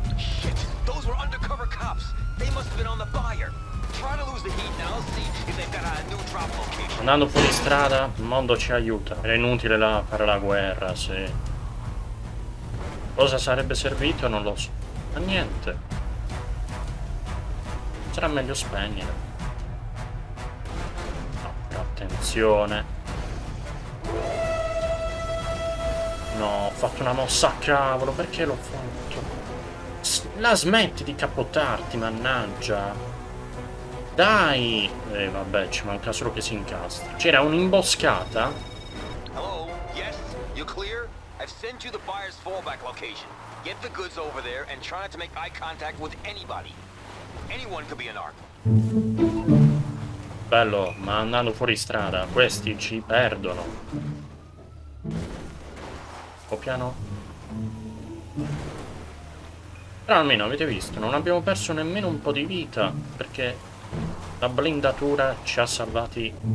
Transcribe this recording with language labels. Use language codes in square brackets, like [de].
[en] Shit, those were undercover cops. They must have been on the buyer. Try to lose the heat now, see if they've got a new drop location. [it] Andando fuori strada, il mondo ci aiuta. Era inutile là fare la guerra, se. Cosa sarebbe servito? Non lo so. Ma niente. Sarà meglio spegnere. Attenzione. No, ho fatto una mossa a cavolo. Perché l'ho fatto? La smetti di capottarti, mannaggia. Dai. Vabbè, ci manca solo che si incastri. C'era un'imboscata. [en] Hello, yes, you're clear? I've sent you the buyer's fallback location. Get the goods over there and try not to make eye contact with anybody. Anyone could be an arc. [it] Bello, ma andando fuori strada, questi ci perdono. Un po' piano. Però almeno avete visto, non abbiamo perso nemmeno un po' di vita, perché la blindatura ci ha salvati.